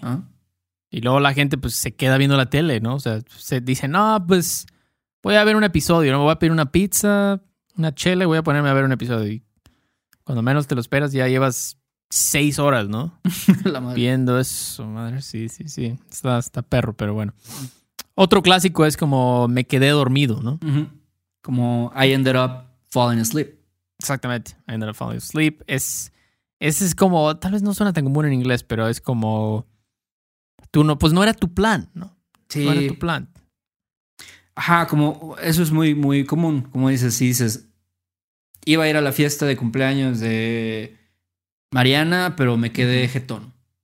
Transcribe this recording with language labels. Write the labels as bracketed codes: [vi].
[es] ¿Eh? Y luego la gente pues se queda viendo la tele, ¿no? O sea, se dice, no, pues voy a ver un episodio, ¿no? Me voy a pedir una pizza, una chela y voy a ponerme a ver un episodio. Y cuando menos te lo esperas, ya llevas 6 horas, ¿no? La madre. Viendo eso, madre. Sí, sí, sí. Está perro, pero bueno. Otro clásico es como me quedé dormido, ¿no? Uh-huh. Como [en] I ended up falling asleep. [es] Exactamente. [en] I ended up falling asleep. [es] Ese es como, tal vez no suena tan común en inglés, pero es como, no era tu plan, ¿no? Sí. No era tu plan. Ajá, como eso es muy, muy común. Como dices, si dices, iba a ir a la fiesta de cumpleaños de Mariana, pero me quedé jetón.